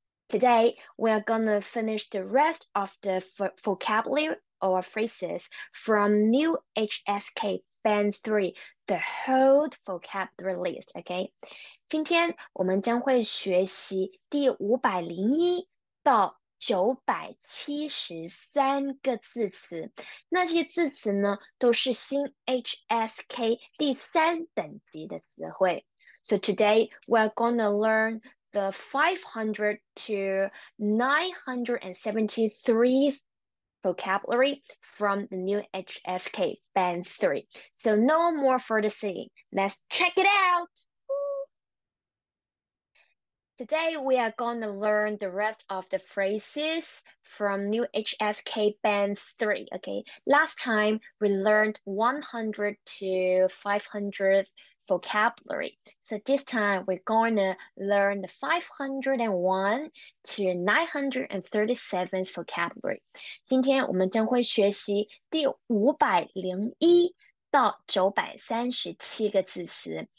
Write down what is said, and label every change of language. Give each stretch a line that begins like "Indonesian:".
English: Today, we are gonna finish the rest of the vocabulary or phrases from new HSK Band 3, the whole vocabulary list, okay?
Chinese: 今天我们将会学习第501到973个字词，那这些字词呢，都是新 HSK 第三等级的词汇。
English: So today we're gonna learn the 500 to 973 vocabulary from the new HSK Band 3. So no more further saying, let's check it out! Today, we are going to learn the rest of the phrases from new HSK Band 3, okay? Last time, we learned 100 to 500 vocabulary. So this time, we're going to learn the 501 to 937 vocabulary.
Chinese: 今天我们将会学习第501到937个字词。